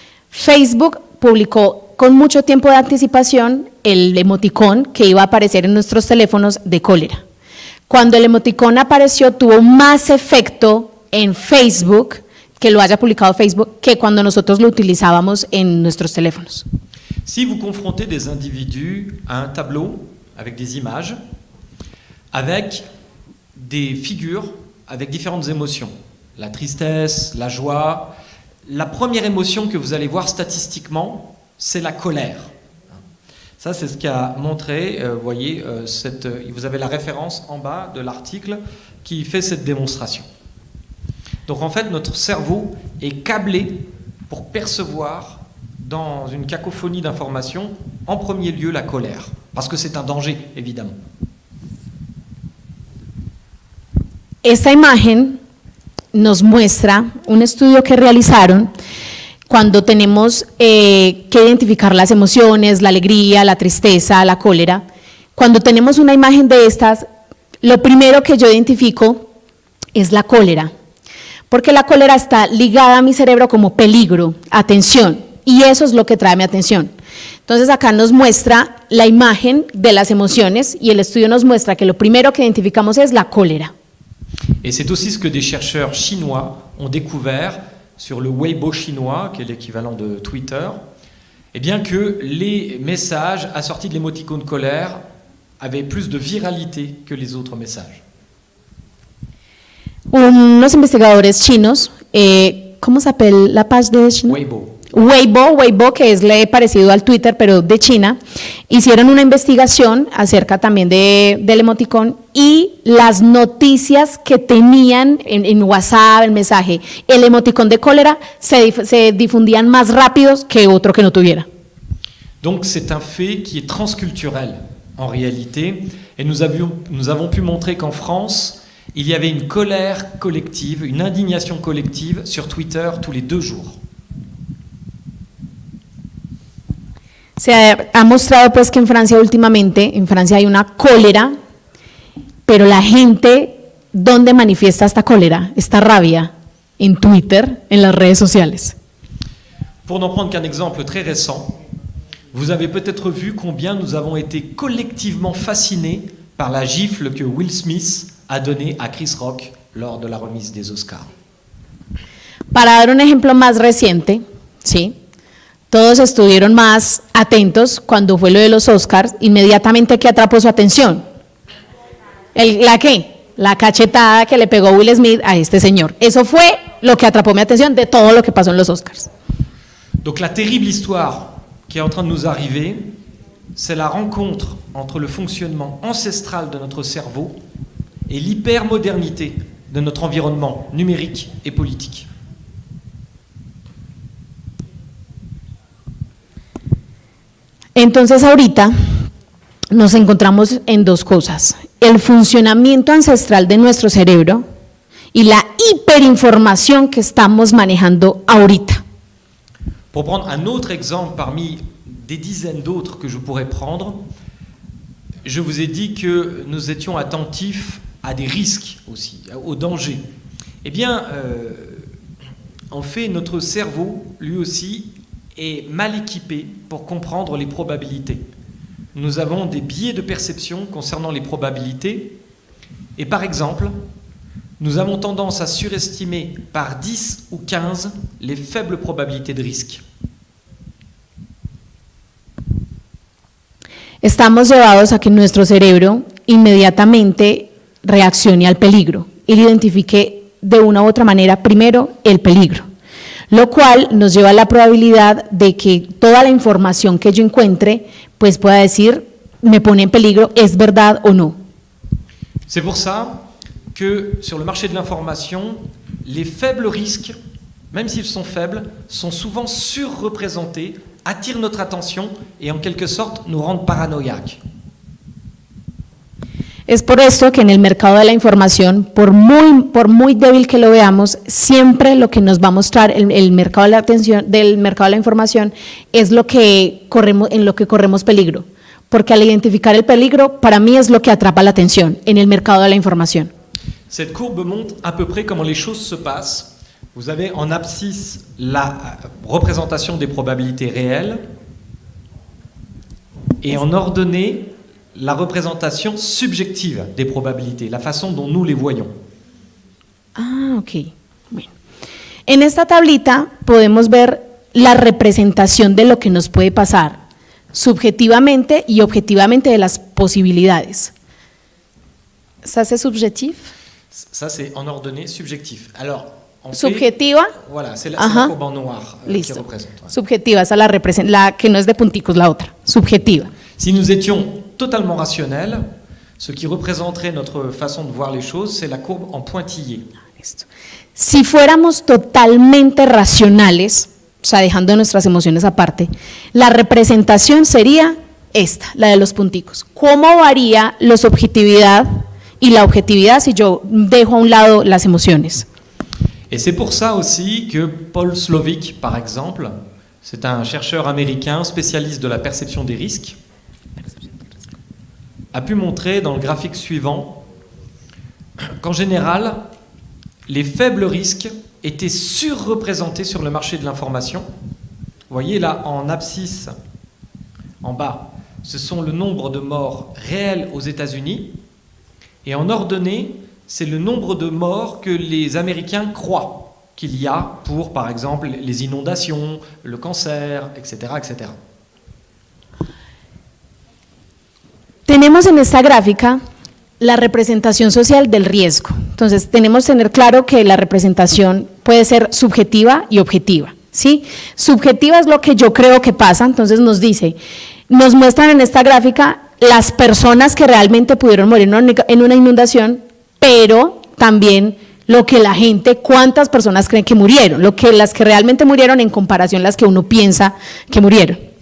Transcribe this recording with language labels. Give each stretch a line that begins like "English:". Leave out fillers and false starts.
Spanish: Facebook publicó con mucho tiempo de anticipación el emoticón que iba a aparecer en nuestros teléfonos de cólera. Cuando el emoticón apareció, tuvo más efecto en Facebook, que lo haya publicado Facebook, que cuando nosotros lo utilizábamos en nuestros teléfonos.
French: Si vous confrontez des individus à un tableau avec des images, avec des figures avec différentes émotions, la tristesse, la joie. La première émotion que vous allez voir statistiquement, c'est la colère. Ça, c'est ce qu'a montré, vous avez la référence en bas de l'article qui fait cette démonstration. Donc en fait, notre cerveau est câblé pour percevoir dans une cacophonie d'informations, en premier lieu, la colère. Parce que c'est un danger, évidemment.
Spanish: Esta imagen nos muestra un estudio que realizaron cuando tenemos que identificar las emociones, la alegría, la tristeza, la cólera. Cuando tenemos una imagen de estas, lo primero que yo identifico es la cólera, porque la cólera está ligada a mi cerebro como peligro, atención, y eso es lo que trae mi atención. Entonces acá nos muestra la imagen de las emociones y el estudio nos muestra que lo primero que identificamos es la cólera.
French: Et c'est aussi ce que des chercheurs chinois ont découvert sur le Weibo chinois, qui est l'équivalent de Twitter, et bien que les messages assortis de l'émoticône colère avaient plus de viralité que les autres messages.
Spanish: Unos investigadores chinos, ¿cómo se
French: appelle la page
Spanish: de China? Weibo. Weibo, que es le parecido al Twitter, pero de China, hicieron una investigación acerca también del emoticón y las noticias que tenían en WhatsApp, el mensaje, el emoticón de cólera, se difundían más rápido que otro que no tuviera.
French: Donc, c'est un fait qui est transculturel, en réalité. Et nous avons pu montrer qu'en France, il y avait une colère collective, une indignation collective sur Twitter tous les 2 jours.
Spanish: Se ha mostrado pues que en Francia últimamente, en Francia hay una cólera, pero la gente, ¿dónde manifiesta esta cólera, esta rabia? En Twitter, en las redes sociales.
French: Pour n'en prendre qu'un exemple très récent, vous avez peut-être vu combien nous avons été collectivement fascinés par la gifle que Will Smith a donnée à Chris Rock lors de la remise des Oscars.
Spanish: Para dar un ejemplo más reciente, sí. Todos estuvieron más atentos cuando fue lo de los Oscars. Inmediatamente, ¿qué atrapó su atención? ¿La qué? La cachetada que le pegó Will Smith a este señor. Eso fue lo que atrapó mi atención de todo lo que pasó en los Oscars.
French: Donc la terrible histoire qui est en train de nous arriver, c'est la rencontre entre le fonctionnement ancestral de notre cerveau et l'hypermodernité de notre environnement numérique et politique.
Spanish: Entonces ahorita nos encontramos en dos cosas: el funcionamiento ancestral de nuestro cerebro y la hiperinformación que estamos manejando ahorita.
French: Pour prendre un autre exemple parmi des dizaines d'autres que je pourrais prendre, je vous ai dit que nous étions attentifs à des risques aussi, aux dangers. Eh bien, en fait, notre cerveau, lui aussi, est mal équipé pour comprendre les probabilités. Nous avons des biais de perception concernant les probabilités. Et par exemple, nous avons tendance à surestimer par 10 ou 15 les faibles probabilités de risque.
Spanish: Estamos llevados a que nuestro cerebro inmediatamente reaccione al peligro y identifique de una u otra manera primero el peligro, lo cual nos lleva a la probabilidad de que toda la información que yo encuentre pues pueda decir me pone en peligro, es verdad o no.
French: C'est pour ça que sur le marché de l'information, les faibles risques, même s'ils sont faibles, sont souvent surreprésentés, attirent notre attention et en quelque sorte nous rendent paranoïaques.
Spanish: Es por esto que en el mercado de la información, por muy débil que lo veamos, siempre lo que nos va a mostrar el mercado de la atención del mercado de la información es lo que corremos, en lo que corremos peligro, porque al identificar el peligro, para mí es lo que atrapa la atención en el mercado de la información.
French: Cette courbe montre à peu près comment les choses se passent. Vous avez en abscisse la représentation des probabilités réelles et en ordonnée la représentation subjective des probabilités, la façon dont nous les voyons.
Spanish: Ah, ok. Bueno. En esta tablita podemos ver la representación de lo que nos puede pasar subjetivamente y objetivamente de las posibilidades.
French: ¿Ça c'est subjectif? Ça c'est en ordonnée subjectif. Alors, en
Spanish: subjetiva.
French: Fait, voilà, c'est la courbe en noir qui représente. Ouais.
Spanish: Subjetiva,
French: ça la représente,
Spanish: la que no es de punticos, la otra. Subjetiva.
French: Si nous étions totalement rationnels, ce qui représenterait notre façon de voir les choses, c'est la courbe en pointillé.
Spanish: Si fuéramos totalmente racionales, o sea, dejando nuestras emociones aparte, la representación sería esta, la de los punticos. ¿Cómo varía la subjetividad y la objetividad si yo dejo a un lado las emociones?
French: Et c'est pour ça aussi que Paul Slovic, par exemple, c'est un chercheur américain spécialiste de la perception des risques, a pu montrer dans le graphique suivant qu'en général, les faibles risques étaient surreprésentés sur le marché de l'information. Vous voyez là, en abscisse, en bas, ce sont le nombre de morts réels aux États-Unis. Et en ordonnée, c'est le nombre de morts que les Américains croient qu'il y a pour, par exemple, les inondations, le cancer, etc., etc.
Spanish: Tenemos en esta gráfica la representación social del riesgo. Entonces, tenemos que tener claro que la representación puede ser subjetiva y objetiva. ¿Sí? Subjetiva es lo que yo creo que pasa. Entonces, nos dice, nos muestran en esta gráfica las personas que realmente pudieron morir en una inundación, pero también lo que la gente, cuántas personas creen que murieron, lo que las que realmente murieron en comparación a las que uno piensa que murieron.